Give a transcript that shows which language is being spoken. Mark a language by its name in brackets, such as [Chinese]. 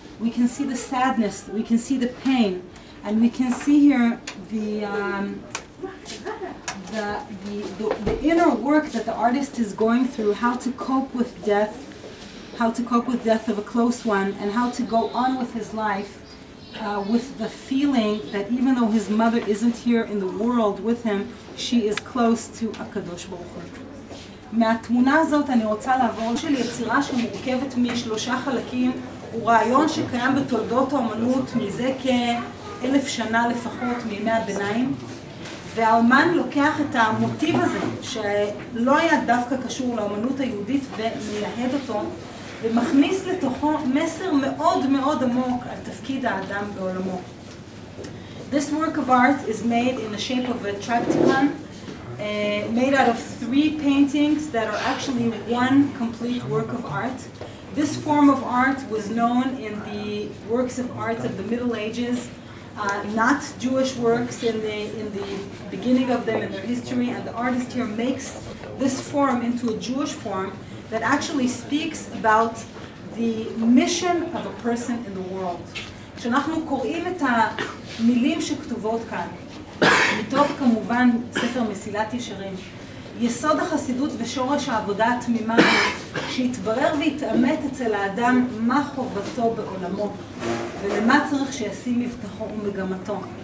[English] We can see the sadness, we can see the pain, and we can see here the inner work that the artist is going through, how to cope with death, how to cope with death of a close one, and how to go on with his life. With the feeling that even though his mother isn't here in the world with him, she is close to HaKadosh Baruch Hu. [Hebrew] מהתמונה הזאת אני רוצה לעבור של יצירה שמורכבת משלושה חלקים, הוא רעיון שקיים בתולדות האומנות מזה כ-1,000 שנה לפחות מימי הביניים, והאומן לוקח את המוטיב הזה שלא היה דווקא קשור לאומנות היהודית ומייהד אותו, ומכניס לתוכו מסר מאוד מאוד עמוק על תפקיד האדם בעולמו. The [English] This work of art is made in the shape of a tractigan, made out of three paintings that are actually one complete work of art. This form of art was known in the works of art of the Middle Ages, not Jewish works in the beginning of them in their history, and the artist here makes this form into a Jewish form that actually speaks about the mission of a person in the world. [Hebrew] כשאנחנו קוראים את המילים שכתובות כאן, מתוך כמובן ספר מסילת ישרים, יסוד החסידות ושורש העבודה התמימה שהתברר והתאמת אצל האדם מה חובתו בעולמו ולמה צריך שישים מבטחו ומגמתו.